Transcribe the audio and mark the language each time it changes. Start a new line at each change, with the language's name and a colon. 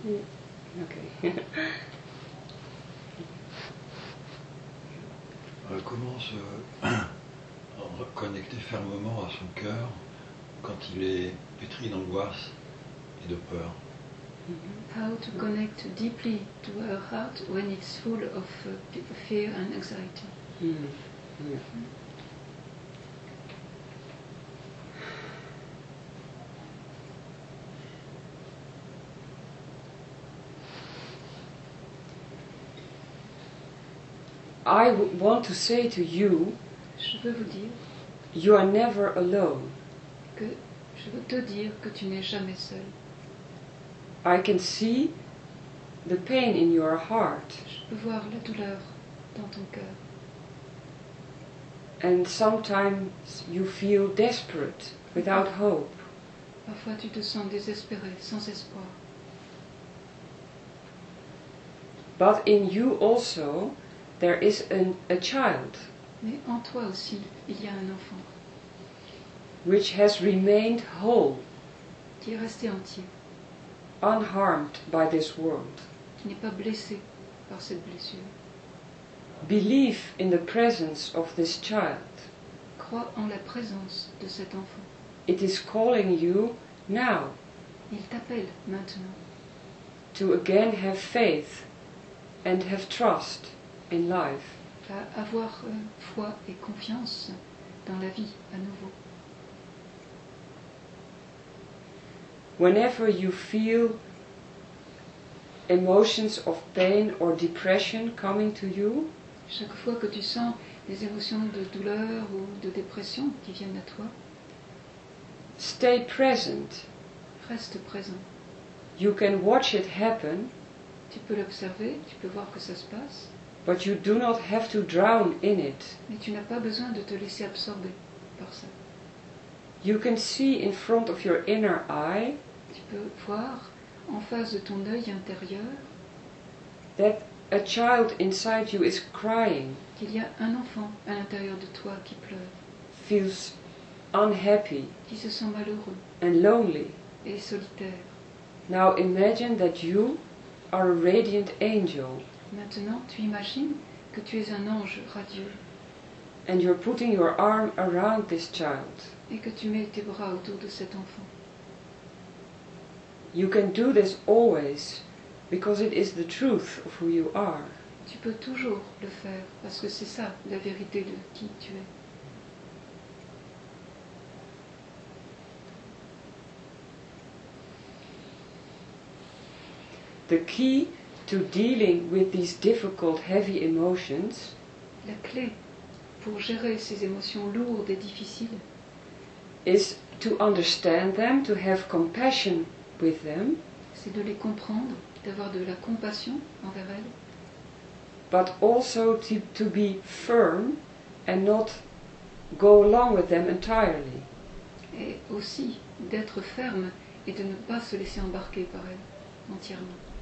English: Yeah. Okay.
French: Commence à reconnecter fermement à son cœur quand il est pétri d'angoisse et de peur.
English: How to connect deeply to her heart when it's full of fear and anxiety. I want to say to you,
French: je veux vous dire,
English: you are never alone.
French: Que je veux te dire que tu n'es jamais seul.
English: I can see the pain in your heart.
French: Je peux voir la douleur dans ton cœur.
English: And sometimes you feel desperate, without hope.
French: Parfois tu te sens désespéré, sans espoir.
English: But in you also, there is a child.
French: Mais en toi aussi, il y a un enfant.
English: Which has remained whole.
French: Qui est resté entier.
English: Unharmed by this world.
French: Qui n'est pas blessé par cette blessure.
English: Believe in the presence of this child.
French: Crois en la présence de cet enfant.
English: It is calling you now.
French: Il t'appelle maintenant.
English: To again have faith and have trust. In life.
French: À avoir foi et confiance dans la vie à nouveau.
English: Whenever you feel emotions of pain or depression coming to you,
French: chaque fois que tu sens des émotions de douleur ou de dépression qui viennent à toi,
English: stay present.
French: Reste présent.
English: You can watch it happen.
French: Tu peux l'observer, tu peux voir que ça se passe.
English: But you do not have to drown in it.
French: Mais tu n'as pas besoin de te laisser absorber par ça.
English: You can see in front of your inner eye.
French: Tu peux voir en face de ton œil intérieur.
English: That a child inside you is crying.
French: Qu'il y a un enfant à l'intérieur de toi qui pleure.
English: Feels unhappy.
French: Qui se sent malheureux.
English: And lonely.
French: Et solitaire.
English: Now imagine that you are a radiant angel.
French: Maintenant, tu imagines que tu es un ange radieux.
English: And you're putting your arm around this child.
French: Et que tu mets tes bras autour de cet enfant.
English: You can do this always because it is the truth of who you are.
French: Tu peux toujours le faire parce que c'est ça la vérité de qui tu es.
English: The key to dealing with these difficult, heavy emotions,
French: la clé pour gérer ces émotions lourdes et difficiles,
English: is to understand them, to have compassion with them.
French: C'est de les comprendre, d'avoir de la compassion envers elles.
English: But also to be firm and not go along with them entirely.
French: Et aussi d'être ferme et de ne pas se laisser embarquer par elles entièrement.